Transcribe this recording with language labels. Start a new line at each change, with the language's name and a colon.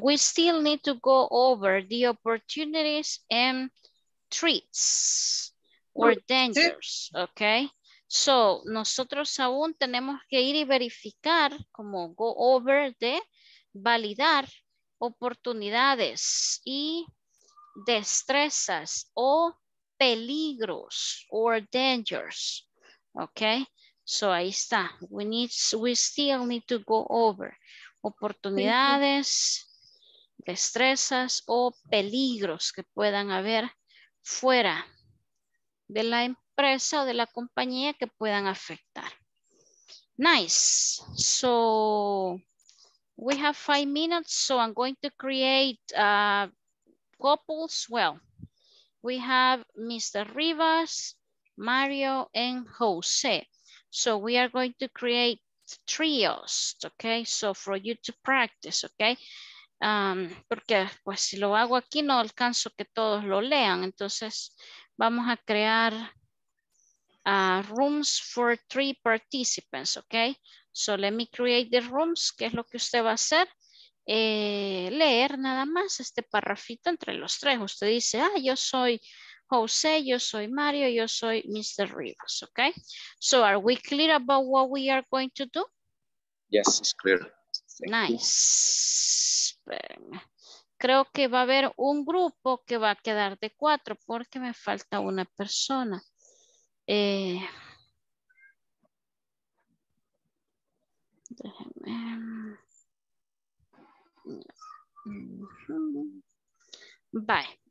English: We still need to go over the opportunities and threats or dangers, okay?
Spanish: So, nosotros aún tenemos que ir y verificar, como go over de validar oportunidades y destrezas o peligros
English: or dangers,
Spanish: okay? So, ahí está.
English: We still need to go over
Spanish: oportunidades, destrezas o peligros que puedan haber fuera de la empresa o de la compañía que puedan afectar.
English: Nice. So we have 5 minutes, so I'm going to create couples. Well, we have Mr. Rivas, Mario, and Jose. So we are going to create trios, okay, so for you to practice,
Spanish: okay, porque pues si lo hago aquí no alcanzo que todos lo lean, entonces vamos a crear
English: rooms for 3 participants, okay, so let me create the rooms,
Spanish: que es lo que usted va a hacer, leer nada más este parrafito entre los tres, usted dice, ah, yo soy Jose, yo soy Mario, yo soy Mr. Rivas, okay?
English: So are we clear about what we are going to do? Yes, it's clear. Nice.
Spanish: Creo que va a haber un grupo que va a quedar de 4 porque me falta una persona. Déjeme.
English: Bye.